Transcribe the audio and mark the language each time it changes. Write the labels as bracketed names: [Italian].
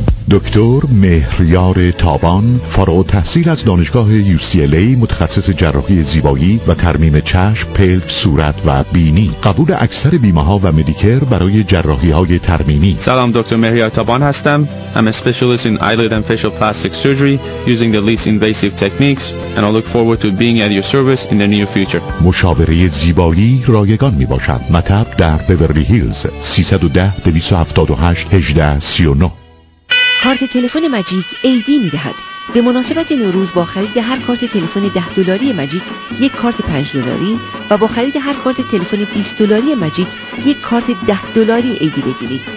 [Persian] دکتر مهریار تابان، فارغ التحصیل از دانشگاه UCLA، متخصص جراحی زیبایی و ترمیم چشم، پلک، صورت و بینی. قبول اکثر بیمه ها و مدیکر برای جراحی های ترمیمی. سلام، دکتر مهریار تابان هستم. [English] I'm a specialist in eyelid and facial plastic surgery using the least invasive techniques and I look forward to being at your service in the near future. [Persian] مشاوره زیبایی رایگان می باشد. مطب در بیورلی هیلز 310-278-1839. کارت تلفن مجیک ایدی می دهد. به مناسبت نوروز با خرید هر کارت تلفن 10 دلاری مجیک یک کارت 5 دلاری و با خرید هر کارت تلفن 20 دلاری مجیک یک کارت 10 دلاری ایدی بگیرید.